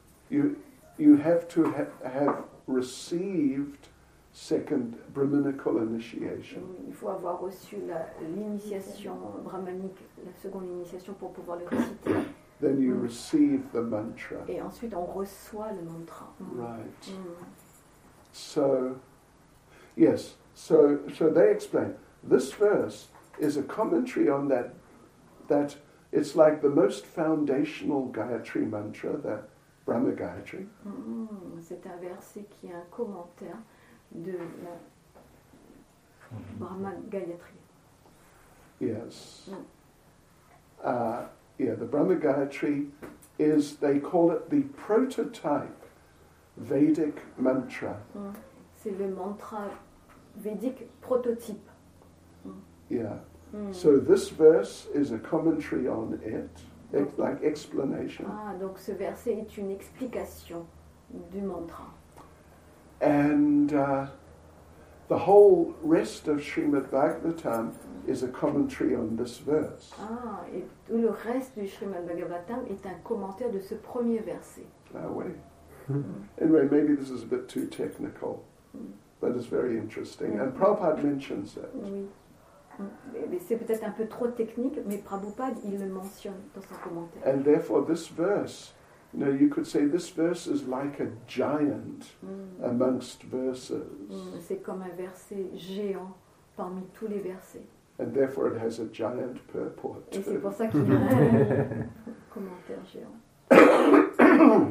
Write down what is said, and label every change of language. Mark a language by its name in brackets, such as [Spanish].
[English] You have to have received second brahmanical initiation. [French] Il faut avoir reçu l'initiation brahmanique, la seconde initiation pour pouvoir le réciter. [English] Then you receive the mantra. [French] Et ensuite on reçoit le mantra. [English] Right. So, yes, so they explain. This verse is a commentary on that it's like the most foundational Gayatri mantra, the Brahma Gayatri. [French] C'est un verset qui est un commentaire de la Brahma Gayatri. [English] Yes. The Brahma Gayatri is, they call it the prototype Vedic mantra. [French] C'est le mantra védique prototype. [English] Yeah. So this verse is a commentary on it, like explanation. [French] Ah, donc ce verset est une explication du mantra. [English] And the whole rest of Srimad Bhagavatam is a commentary on this verse. [French] Ah, et tout le reste du Srimad Bhagavatam est un commentaire de ce premier verset. Ah oui. [English] Anyway, maybe this is a bit too technical, but it's very interesting. And Prabhupada mentions it. [French] Oui. Mais c'est peut-être un peu trop technique, mais Prabhupada, il le mentionne dans son commentaire. [English] And therefore, this verse, you could say this verse is like a giant amongst verses. [French] C'est comme un verset géant parmi tous les versets. [English] And therefore, it has a giant purport. [French] Et c'est pour ça qu'il y a un commentaire géant.